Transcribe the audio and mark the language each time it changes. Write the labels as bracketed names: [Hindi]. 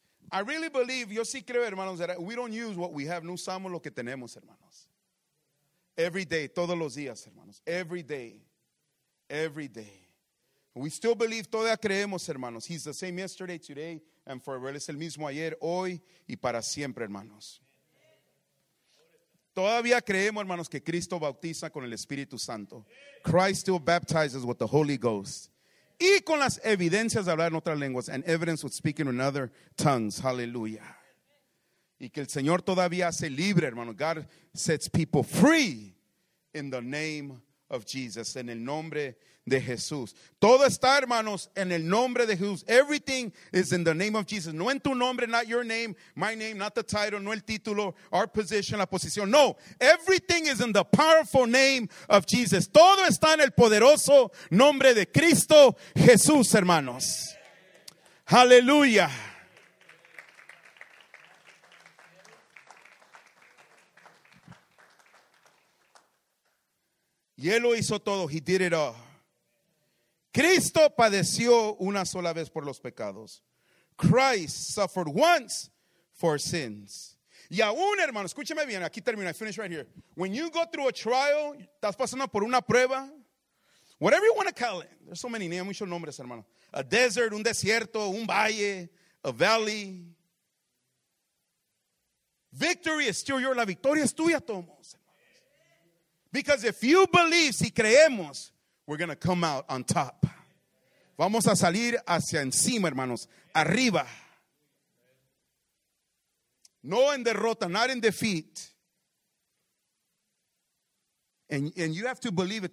[English] I really believe, [Spanish] yo sí creo, hermanos, [English] that we don't use what we have. [Spanish] No usamos lo que tenemos, hermanos. [English] Every day, [Spanish] todos los días, hermanos. [English] Every day. Every day. We still believe, [Spanish] todavía creemos, hermanos. [English] He's the same yesterday, today, and forever. [Spanish] Es el mismo ayer, hoy, y para siempre, hermanos. Todavía creemos, hermanos, que Cristo bautiza con el Espíritu Santo. [English] Christ still baptizes with the Holy Ghost. [Spanish] Y con las evidencias de hablar en otras lenguas. [English] And evidence with speaking in other tongues. Hallelujah. [Spanish] Y que el Señor todavía hace libre, hermano. [English] God sets people free in the name of Jesus. [Spanish] En el nombre de Jesús. Todo está, hermanos, en el nombre de Jesús. [English] Everything is in the name of Jesus. [Spanish] No en tu nombre, [English] not your name. My name, not the title, [Spanish] no el título. [English] Our position, [Spanish] la posición. [English] No, everything is in the powerful name of Jesus. [Spanish] Todo está en el poderoso nombre de Cristo Jesús, hermanos. Aleluya. Y él lo hizo todo. [English] He did it all. [Spanish] Cristo padeció una sola vez por los pecados. [English] Christ suffered once for sins. [Spanish] Y aún, hermano, escúcheme bien. Aquí termino. [English] I finish right here. When you go through a trial, [Spanish] estás pasando por una prueba. [English] Whatever you want to call it. There's so many names. [Spanish] Muchos nombres, hermano. [English] A desert, [Spanish] un desierto, un valle, [English] a valley. Victory is still yours. [Spanish] La victoria es tuya, todos. [English] Because if you believe, [Spanish] si creemos, [English] we're going to come out on top. [Spanish] Vamos a salir hacia encima, hermanos. Arriba. No en derrota, [English] not in defeat. And you have to believe it.